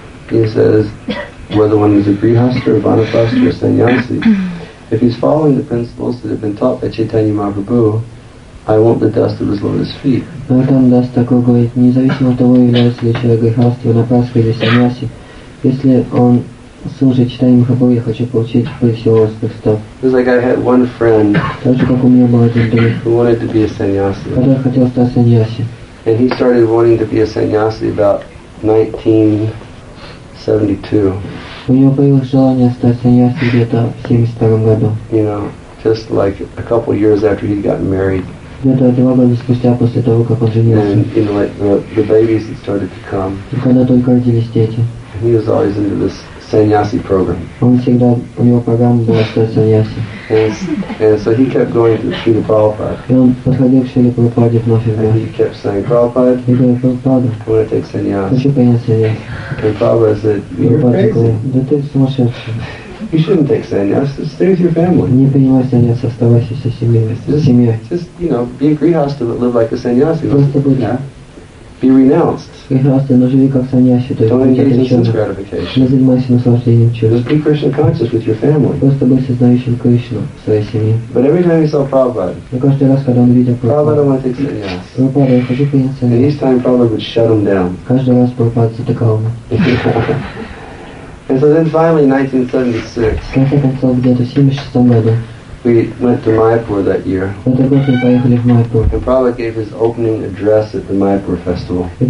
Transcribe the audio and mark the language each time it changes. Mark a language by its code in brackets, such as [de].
[en] He says, whether one is a Grihastha or Vanaprastha or Sannyasi, if he's following the principles that have been taught by Chaitanya Mahaprabhu, I want the dust of his lotus feet. [ru] Nartam Dastakura говорит, независимо от того, является ли человек Грихастха, Ванапрастха или Саньяси, если он служит Чайтанья Махапрабху, я хочу получить пыль его лотосных стоп. [en] It's like I had one friend who wanted to be a sannyasi. [ru] Который хотел стать саньяси. [en] And he started wanting to be a sannyasi about 1972. [ru] У него появилось желание стать саньяси где-то в 72 году. [en] You know, just like a couple years after he'd gotten married. [ru] Где-то 2 года спустя после того, как он женился. [en] And you know, like the babies had started to come. [ru] И когда только родились дети. [en] He was always into this sannyasi program. [ru] Он всегда, у него программа была стать саньяси. [en] And so he kept going to Srila Prabhupada. [ru] И он подходил к Шриле Прабхупаде вновь и вновь. [en] And he kept saying, Prabhupada, [ru] и говорил, Прабхупада, [en] wanna take sannyasi. [ru] Хочу принять саньяси. [en] And Prabhupada said, you're crazy. [ru] Да ты сумасшедший. [en] You shouldn't take sannyasi. Stay with your family. Не принимай саньяси, оставайся со семьей. Just, you know, be a grihastha, but live like a sannyasi. [ru] Просто будь. [en] Be renounced. [ru] Грихастха, но живи как саньяси, то есть отреченно. Не занимайся наслаждением чувств. Просто будь сознающим Кришну в своей семье. [en] But every time he saw Prabhupada, [ru] но каждый раз, когда он видел Прабхупаду, я хочу принять саньяси. [en] And each time Prabhupada would shut him down. [ru] Каждый раз Прабхупада затыкал его. [en] And so then finally, 1976. [ru] В конце концов, где-то в 76 году. [en] We went to Mayapur that year. And Prabhupada gave his opening address at the Mayapur festival.